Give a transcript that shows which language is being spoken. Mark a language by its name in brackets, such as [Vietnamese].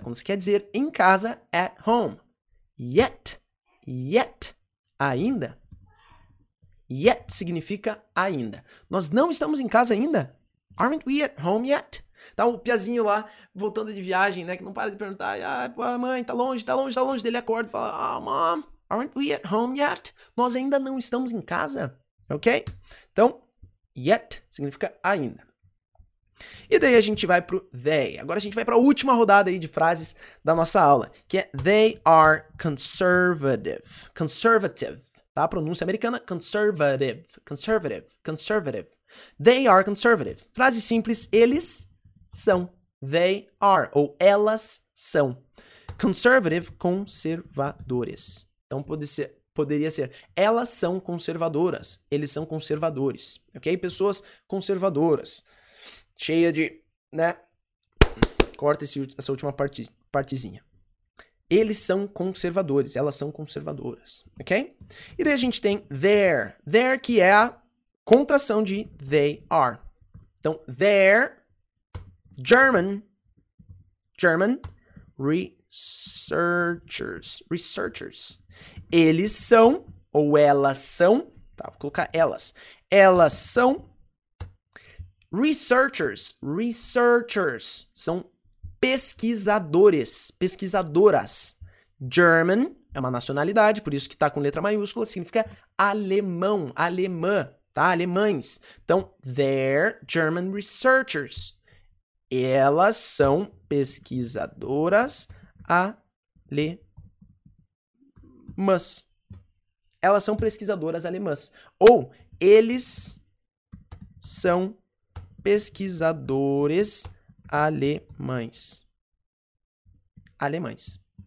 [Portuguese] Quando você quer dizer em casa, at home. Yet. Yet. Ainda. Yet significa ainda. Nós não estamos em casa ainda? [English] Aren't we at home yet? [Portuguese] Tá o piazinho lá, voltando de viagem, né? Que não para de perguntar. Ah, mãe, tá longe. Dele acorda e fala, ah, [English] oh, mom, aren't we at home yet? [Portuguese] Nós ainda não estamos em casa? Ok? Então, yet significa ainda. E daí a gente vai pro they. Agora a gente vai pra última rodada aí de frases da nossa aula, que é [English] they are conservative. [Portuguese] Conservative. Tá? A pronúncia americana, conservative. Conservative. Conservative. [English] They are conservative. [Portuguese] Frase simples, eles são. They are, ou elas são. Conservative, conservadores. Então, poderia ser, elas são conservadoras. Eles são conservadores. Ok? Pessoas conservadoras. Cheia de, né? Corta essa última partezinha. Eles são conservadores. Elas são conservadoras. Ok? E daí a gente tem there. There, que é a contração de they are. [English] Então, they're German researchers. Researchers. [Portuguese] Eles são, ou elas são, tá, vou colocar elas. Elas são researchers. Researchers. São pesquisadores. Pesquisadoras. German é uma nacionalidade, por isso que tá com letra maiúscula, significa alemão, alemã. Tá? Alemães. [English] Então, they're German researchers. [Portuguese] Elas são pesquisadoras alemãs. Elas são pesquisadoras alemãs. Ou, eles são pesquisadores alemães. Alemães.